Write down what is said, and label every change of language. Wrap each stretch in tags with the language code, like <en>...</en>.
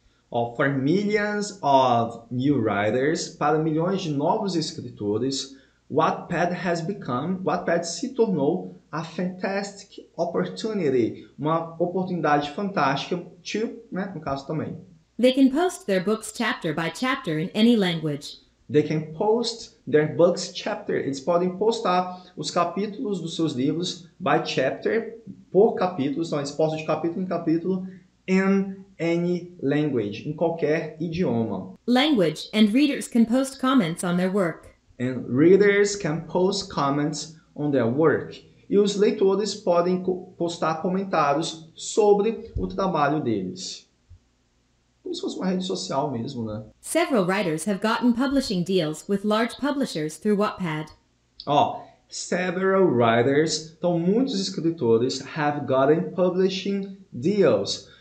<en>Oh, for millions of new writers,</en> <pt>para milhões de novos escritores, Wattpad se tornou</pt> <en>a fantastic opportunity,</en> <pt>uma oportunidade fantástica to, né, no caso também.</pt> <en>They can post their books chapter by chapter in any language. They can post their books chapter.</en> <pt>Eles podem postar os capítulos dos seus livros</pt> <en>by chapter,</en> <pt>por capítulos. Então, eles postam de capítulo em capítulo</pt> <en>in any language,</en> <pt>em qualquer idioma.</pt> <en>Language and readers can post comments on their work. And readers can post comments on their work.</en> <pt>E os leitores podem postar comentários sobre o trabalho deles. Como se fosse uma rede social mesmo, né?</pt> <en>Several writers have gotten publishing deals with large publishers through Wattpad. Ó, several writers,</en> <pt>então muitos escritores,</pt> <en>have gotten publishing deals.</en>